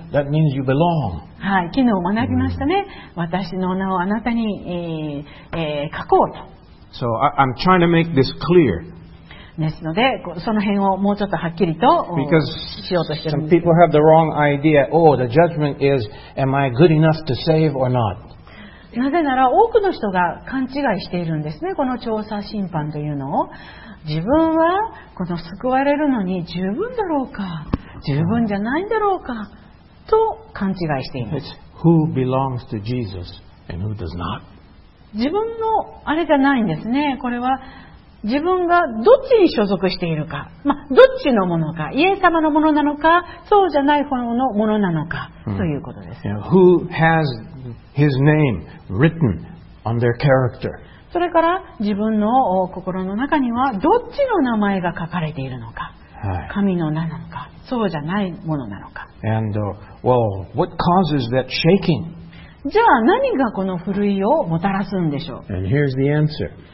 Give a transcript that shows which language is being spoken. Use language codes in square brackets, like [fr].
[en] That means you belong. [ja] はい、昨日学びましたね。 Mm. 私の名をあなたに、書こうと。 [en] So, I'm trying to make this clear. [ja] ですので、その辺をもうちょっとはっきりとしようとしてるんです。 [en] Because some people have the wrong idea. Oh, the judgment is, am I good enough to save or not? [ja] なぜなら多くの人が勘違いしているんですね。この調査審判というのを。自分はこの救われるのに十分だろうか、十分じゃないんだろうか。と勘違いしています。 [en] It's who belongs to Jesus and who does not. [ja] 自分のあれじゃないんですね。これは自分がどっちに所属しているか、まあ、どっちのものか、イエス様のものなのか、そうじゃない方のものなのか、hmm. ということです。 [en] Yeah. Who has his name written on their character? [ja] それから自分の心の中にはどっちの名前が書かれているのか、はい、神の名なのか、そうじゃないものなのか。 [en] And, well, what causes that shaking? [ja] じゃあ何がこの震いをもたらすんでしょう。 [en] And here's the answer.